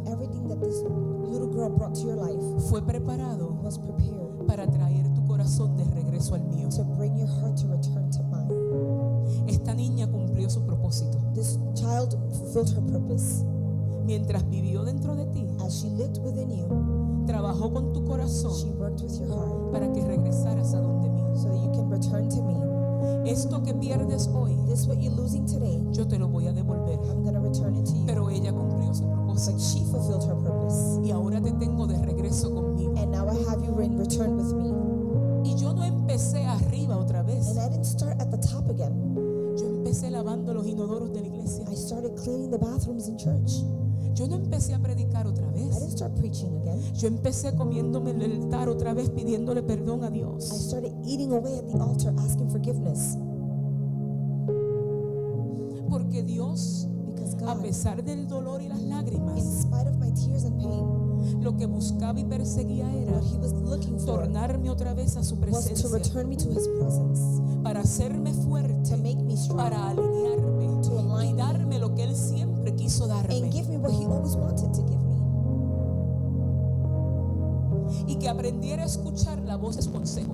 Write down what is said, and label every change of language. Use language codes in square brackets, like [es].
[en] everything that this little girl brought to your life, [es] fue preparado, [en] was prepared, [es] para traer tu corazón de regreso al mío. [en] To bring your heart to return to mine. [es] Esta niña cumplió su propósito. [en] This child fulfilled her purpose. [es] Mientras vivió dentro de ti, [en] as she lived within you, [es] trabajó con tu corazón, [en] she worked with your heart, [es] para que regresaras a donde mí, [en] so that you can return to me. [es] Esto que pierdes hoy, [en] this what you're losing today, [es] yo te lo voy a devolver. [en] I'm going to return it to you. [es] Pero ella cumplió su propósito. [en] But she fulfilled her purpose. [es] Y ahora te tengo de regreso conmigo. [en] And now I have you in return with me. [es] Y yo no empecé arriba otra vez. [en] And I didn't start at the top again. [es] Yo empecé lavando los inodoros de la iglesia. [en] I started cleaning the bathrooms in church. [es] Yo no empecé a predicar otra vez. [en] I didn't start preaching again. [es] Yo empecé comiéndome el altar otra vez, pidiéndole perdón a Dios. [en] I started eating away at the altar, asking forgiveness. [es] Porque Dios, [en] because God, [es] a pesar del dolor y las lágrimas, [en] in spite of my tears and pain, [es] lo que buscaba y perseguía era, [en] what he was looking for, [es] tornarme otra vez a su presencia, [en] was to return me to his presence, [es] para hacerme fuerte, [en] to make me strong, [es] para alinearme, [en] to align, [es] y darme lo que él siempre quiso darme, [en] and give me what he always wanted to give me, [es] y que aprendiera a escuchar la voz de su consejo,